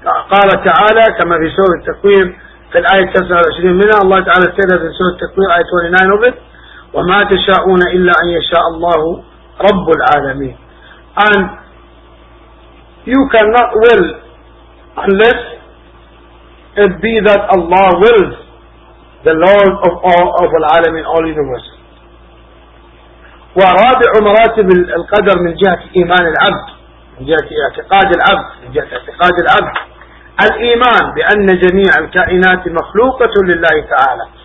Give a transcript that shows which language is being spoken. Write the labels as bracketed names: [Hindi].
[Arabic] قال تعالى كما في سورة التكوير في الآية 29 منها, الله تعالى [English] said that in [Arabic] سورة التكوير آية 29 [English] of it, [Arabic] وما تشاءون إلا أن يشاء الله رب العالمين. [English] And you cannot will unless it be that Allah wills, the Lord of all of al-alamin, all universe. [Arabic] ورابع مراتب القدر من جهة إيمان العبد, من جهة اعتقاد العبد, من جهة اعتقاد العبد, الإيمان بأن جميع الكائنات مخلوقة لله تعالى.